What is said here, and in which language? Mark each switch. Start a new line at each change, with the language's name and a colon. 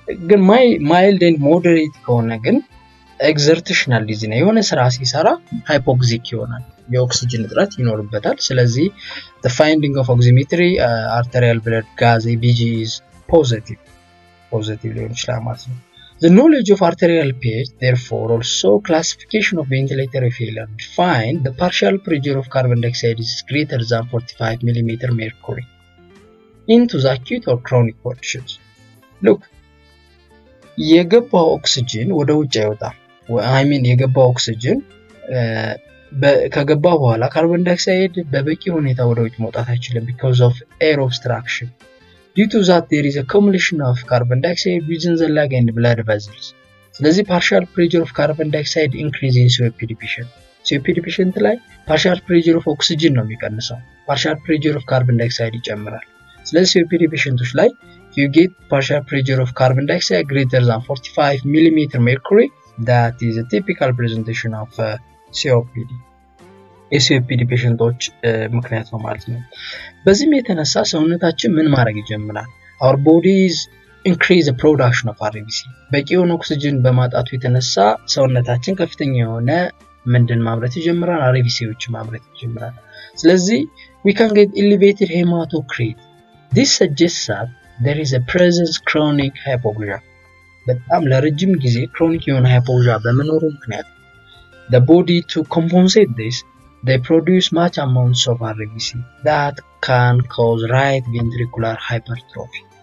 English: ግን mild and moderate ከሆነ ግን exertional disease የሆነ ስራ ሲሰራ hypoxic ይሆናል።
Amharic: የኦክሲጅን እጥረት ይኖርበታል። ስለዚህ
English: the finding of oximetry arterial blood gas ABG is positive
Amharic: ሊሆን ይችላል ማለት ነው።
English: The knowledge of arterial pH therefore also classification of ventilatory failure define the partial pressure of carbon dioxide is greater than 45 mm mercury into the acute or chronic portions.
Amharic: Look, የገባው ኦክሲጅን ወደ ውጭ ይወጣል። I mean የገባው ኦክሲጅን ከገባ በኋላ ካርቦን ዳይኦክሳይድ በበቂ ሁኔታ ወደ ውጭ መውጣት አይችልም
English: because of air obstruction. Due to that there is accumulation of carbon dioxide within the lung and blood vessels. ስለዚህ partial pressure of carbon dioxide increases COPD patient. COPD patient ላይ partial pressure of oxygen
Amharic: ነው የሚቀንሰው።
English: Partial pressure of carbon dioxide
Amharic: ይጨምራል። ስለዚህ
English: COPD patientዎች ላይ you get partial pressure of carbon dioxide greater than 45 mm mercury that is a typical presentation of COPD.
Amharic: COPD patientዎች ምክንያት ነው ማለት ነው። በዚህም የተነሳ ሰውነታችን ምን ማድረግ ይጀምራል?
English: Our bodies increase the production of RBC.
Amharic: በቂ የሆነ ኦክስጅን በማጣቱ የተነሳ ሰውነታችን ከፍተኛ የሆነ ምንድን ማምረት ይጀምራል? RBCዎች ማምረት ይጀምራል። ስለዚህ
English: we can get elevated hematocrit. This suggests that there is a presence chronic hypoxia.
Amharic: በጣም ለረጅም ጊዜ ክሮኒክ የሆነ ሃይፖክሲያ በመኖሩ ምክንያት
English: the body to compensate this they produce much amounts of RBC that can cause right ventricular hypertrophy.